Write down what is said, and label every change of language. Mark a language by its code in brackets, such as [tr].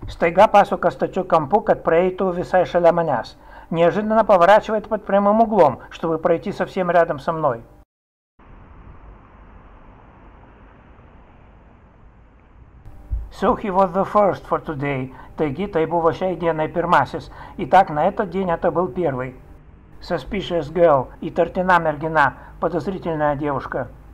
[lt] Staiga pasuka stačiu kampu, kad praeitų visai šalia manęs. [ru] Неожиданно поворачивает под прямым углом, чтобы пройти совсем рядом со мной. [en] So he was the first for today. [lt] Taigi, tai buvo šiai dienai pirmasis. [ru] Итак, на этот день это был первый. [en] Suspicious girl. [lt] Įtartina mergina. [ru] Подозрительная девушка.